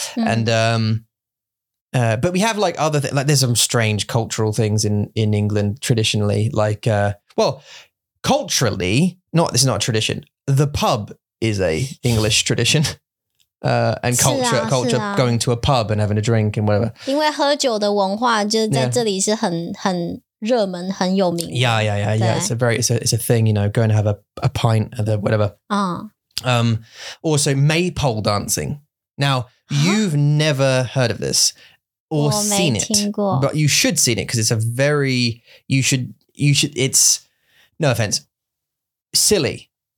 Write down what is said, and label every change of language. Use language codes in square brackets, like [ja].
[en] And, but we have like other, like there's some strange cultural things in England traditionally, like, well, culturally, not, this is not a tradition. The pub is a English tradition. And culture, going to a pub and having a drink and whatever. [zh] 因为喝酒的文化就是在这里是很很热门很有名的。 [en] Yeah. It's a very, it's a thing, you know, going to have a pint of the whatever. Also maypole dancing. Now, you've never heard of this or seen it. But you should see it because it's a very, you should, it's, no offense, silly.